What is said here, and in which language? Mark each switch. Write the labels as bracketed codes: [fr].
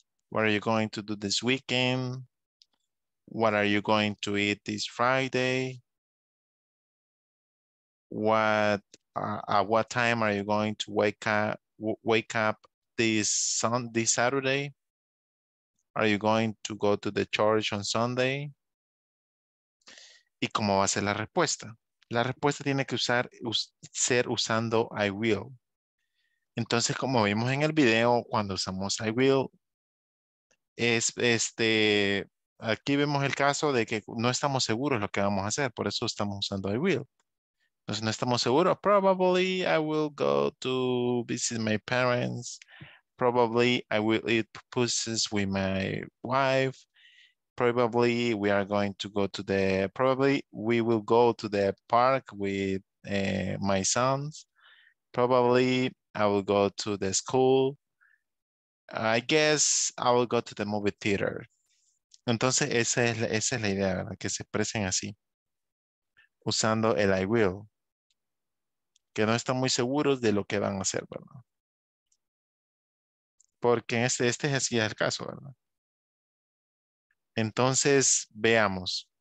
[en] What are you going to do this weekend? What are you going to eat this Friday? At what time are you going to wake up this Saturday? Are you going to go to the church on Sunday? [es] ¿Y cómo va a ser la respuesta? La respuesta tiene que ser usando I will. Entonces, como vimos en el video, cuando usamos I will, es este, aquí vemos el caso de que no estamos seguros lo que vamos a hacer, por eso estamos usando I will. Entonces no estamos seguros. [en] Probably I will go to visit my parents. Probably I will eat pupusas with my wife. probably we are going to go to the, probably we will go to the park with my sons. Probably I will go to the school. I guess I will go to the movie theater. [es] Entonces esa es la idea, ¿verdad? Que se expresen así, usando el I will. Que no están muy seguros de lo que van a hacer, ¿verdad? Porque este es así el caso, ¿verdad? Entonces, veamos.